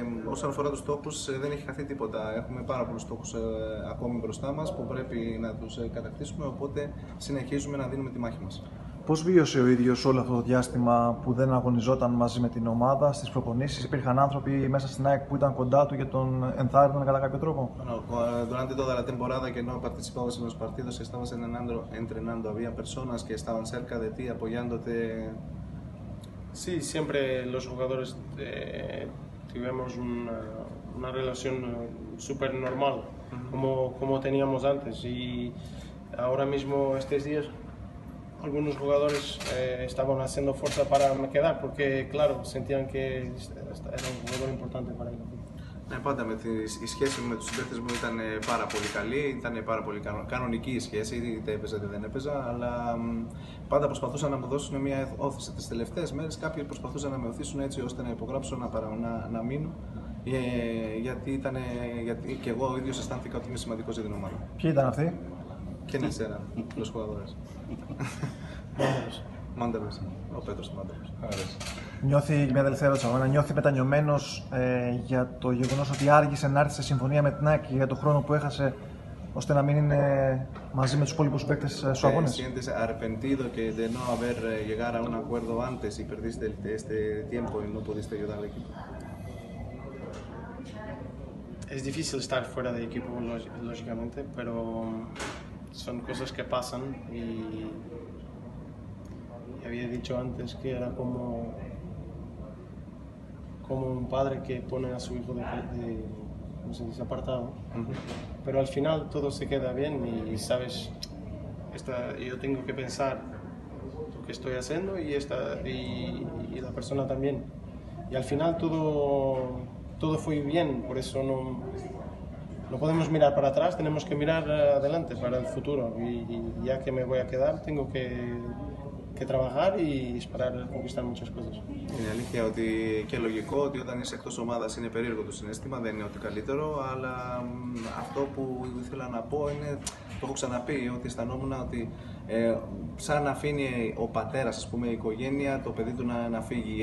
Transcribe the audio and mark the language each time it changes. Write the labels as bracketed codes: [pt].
[el] Όσον αφορά τους στόχους, δεν έχει χαθεί τίποτα. Έχουμε πάρα πολλούς στόχους ακόμη μπροστά μας που πρέπει να τους κατακτήσουμε, οπότε συνεχίζουμε να δίνουμε τη μάχη μας. Πώς βίωσε ο ίδιος όλο αυτό το διάστημα που δεν αγωνιζόταν μαζί με την ομάδα στις προπονήσεις? Υπήρχαν άνθρωποι μέσα στην ΑΕΚ που ήταν κοντά του και τον ενθάρρυναν κατά κάποιο τρόπο? [es] Durante toda la temporada que no participabas en los partidos, estabas entrenando. Había personas que estaban cerca de ti apoyándote. Sí, siempre los jugadores tuvimos una relación super normal, como teníamos antes. Y ahora mismo, estos días, algunos jugadores estaban haciendo fuerza para me quedar, porque claro, sentían que era un jugador importante para ellos. [el] Ναι, πάντα η σχέση μου με τους συμπαίκτες μου ήταν πάρα πολύ καλή, ήταν πάρα πολύ κανονική η σχέση, είτε έπαιζα είτε δεν έπαιζα, αλλά πάντα προσπαθούσαν να μου δώσουν μια όθηση. Τις τελευταίες μέρες κάποιοι προσπαθούσαν να με οθήσουν έτσι ώστε να υπογράψω, να μείνω. γιατί ήταν, γιατί και εγώ ο ίδιος αισθάνθηκα ότι είμαι σημαντικός για την ομάδα. Ποιοι ήταν αυτοί? Και ναι, σέρα, τους χωραδόρες. Μάντεβες. Ο Πέτρος Μάντεβες. Νιώθει, μια τελευταία ερώτηση, νιώθει μετανιωμένος για το γεγονός ότι άργησε να έρθει σε συμφωνία με την ΑΕΚ για τον χρόνο που έχασε, ώστε να μην είναι μαζί με τους υπόλοιπους παίκτες στους αγώνες. [es] Sientes arrepentido que de no haber llegado a un acuerdo antes y perdiste este tiempo y no pudiste ayudar al equipo. Es difícil estar fuera del equipo, lógicamente, pero son cosas que pasan y había dicho antes que era como un padre que pone a su hijo de no sé, desapartado. Pero al final todo se queda bien y sabes, yo tengo que pensar lo que estoy haciendo y la persona también. Y al final todo fue bien, por eso no podemos mirar para atrás, tenemos que mirar adelante para el futuro. Y ya que me voy a quedar, tengo que trabajar y esperar conquistar muchas cosas. Es la alegría que es lógico que cuando estás fuera de [el] ομάδα es περίεργο το συνέστημα, δεν είναι ότι καλύτερο, αλλά αυτό που ήθελα να πω είναι, το έχω ξαναπεί, ότι αισθανόμουν ότι σαν να αφήνει ο πατέρας, ας πούμε, η οικογένεια, το παιδί του να φύγει.